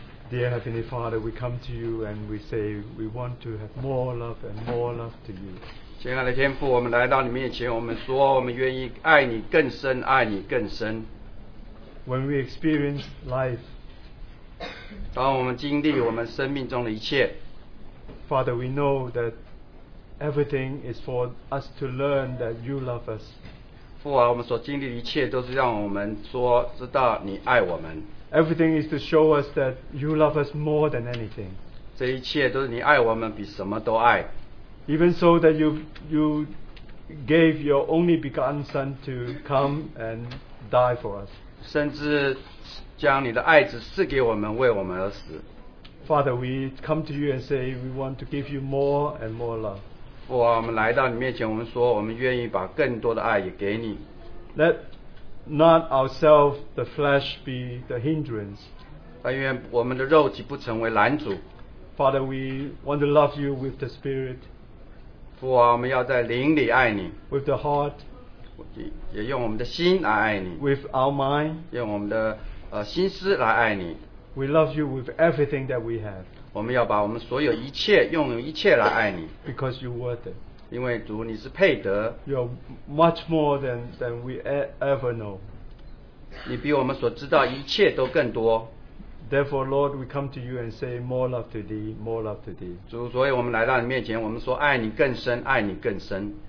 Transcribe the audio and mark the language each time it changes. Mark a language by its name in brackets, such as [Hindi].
[English] Dear Heavenly Father, we come to you and we say we want to have more love and more love to you. [Chinese] 亲爱的天父，我们来到你面前，我们说我们愿意爱你更深，爱你更深。 [English] When we experience life, [Chinese] 当我们经历我们生命中的一切， [English] Father, we know that everything is for us to learn that you love us. [Chinese] 父啊，我们所经历的一切都是让我们说知道你爱我们。 [English] Everything is to show us that you love us more than anything. [Chinese] 这一切都是你爱我们比什么都爱。 [English] Even so that you gave your only begotten son to come and die for us. [Chinese] 甚至将你的爱子赐给我们，为我们而死。 [English] Father, we come to you and say we want to give you more and more love. [Chinese] 父啊，我们来到你面前，我们说我们愿意把更多的爱也给你。 [English] Let not ourselves, the flesh, be the hindrance. [Chinese] 但愿我们的肉体不成为拦阻。 [English] Father, we want to love you with the spirit. [Chinese] 父啊，我们要在灵里爱你。 [English] With the heart. [Chinese] 也用我们的心来爱你。 [English] With our mind. [Chinese] 用我们的心思来爱你。 [English] We love you with everything that we have. [Chinese] 我们要把我们所有一切用一切来爱你。 [English] Because you're worth it. [Chinese] 因为主你是配得， [English] You're much more than we ever know. [Chinese] 你比我们所知道一切都更多。 [English] Therefore, Lord, we come to you and say more love to thee, more love to thee. [Chinese] 主，所以我们来到你面前，我们说爱你更深，爱你更深。